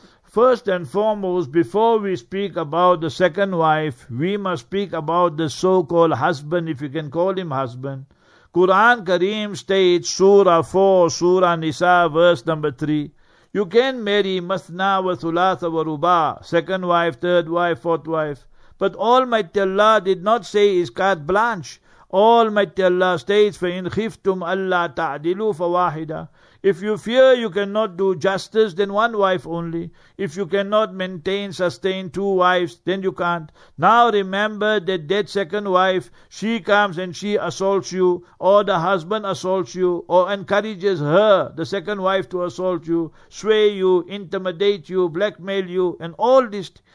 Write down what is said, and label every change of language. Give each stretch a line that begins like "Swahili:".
English: First and foremost, before we speak about the second wife, we must speak about the so-called husband, if you can call him husband. Quran Kareem states, Surah 4, Surah Nisa, verse number 3. You can marry
Arabic: Masna wa Thulatha wa Ruba,
English: second wife, third wife, fourth wife. But Almighty Allah did not say is carte blanche.
Arabic: Almighty Allah states, فَإِنْ خِفْتُمْ أَلَّا تَعْدِلُوا فَوَاحِدًا.
English: If you fear you cannot do justice, then one wife only. If you cannot maintain, sustain two wives, then you can't. Now remember that that second wife, she comes and she assaults you, or the husband assaults you, or encourages her, the second wife, to assault you, sway you, intimidate you, blackmail you, and all this.